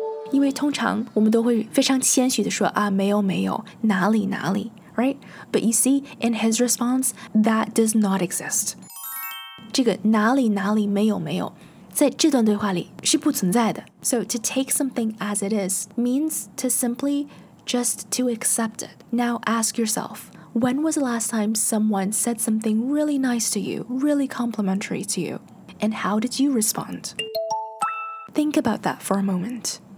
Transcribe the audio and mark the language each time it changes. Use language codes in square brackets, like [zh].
[zh] 因为通常我们都会非常谦虚地说啊，没有没有，哪里哪里 [en] right? But you see, in his response, that does not exist. [zh] 这个哪里哪里没有没有，在这段对话里是不存在的。 [en] So to take something as it is means to simply just to accept it. Now ask yourself, When was the last time someone said something really nice to you, really complimentary to you? And how did you respond? Think about that for a moment.